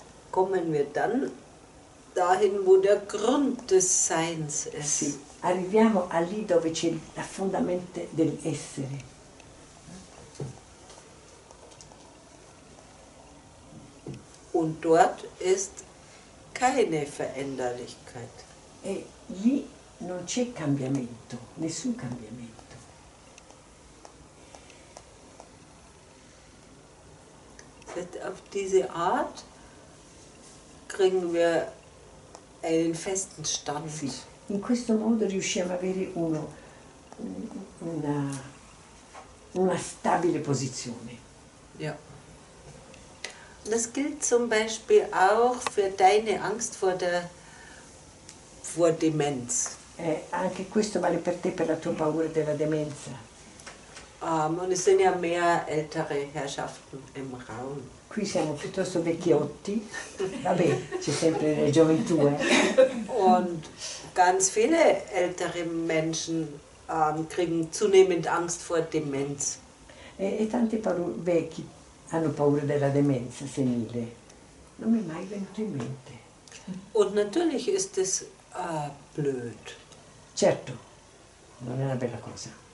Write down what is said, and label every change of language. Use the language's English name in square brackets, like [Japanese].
[German] kommen wir dann dahin, wo der Grund des Seins ist. [Italian] Sì, arriviamo a lì dove c'è la fondamenta del essere. [German] Und dort ist keine Veränderlichkeit. [Italian] E lì non c'è cambiamento, nessun cambiamento. [German] Auf diese Art kriegen wir einen festen Stand. [Italian] Sì. In questo modo riusciamo a avere uno una stabile posizione. [German] Ja. Das gilt zum Beispiel auch für deine Angst vor der vor Demenz. [Italian] Anche questo vale per te, per la tua paura della demenza. [German] Und es sind ja mehr ältere Herrschaften im Raum. [Italian] Qui siamo piuttosto vecchiotti. Vabbè, c'è sempre la gioventù, eh? [German] Und ganz viele ältere Menschen kriegen zunehmend Angst vor Demenz. [Italian] E tanti vecchi hanno paura della demenza senile. Non mi è mai venuto in mente. [German] Und natürlich ist es blöd. [Italian] Certo, non è una bella cosa.